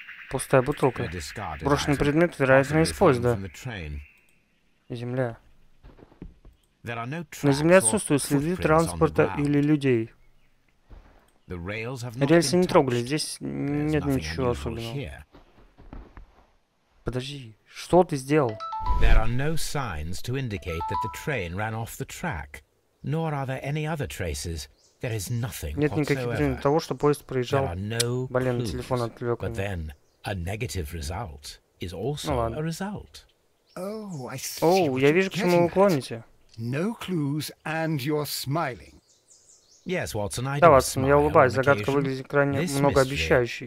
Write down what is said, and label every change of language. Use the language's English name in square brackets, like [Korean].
[Russian] Пустая бутылка. Брошенный предмет, вероятно, из поезда. Земля. На земле отсутствуют следы транспорта или людей. Рельсы не трогали, здесь нет ничего особенного. Подожди, что ты сделал? [English] There are no signs to indicate that the train ran off the track, nor are there any other traces. There is nothing whatsoever. [Russian] Нет никаких признаков того, что поезд проезжал. Блин, телефон отвлек. [English] But then, a negative result is also a result. Oh, [Russian] я вижу, к чему вы клоните. [English] No clues and you're smiling. Yes, Watson, I do. [Russian] Да, Ватсон, я улыбаюсь. Загадка выглядит крайне многообещающей.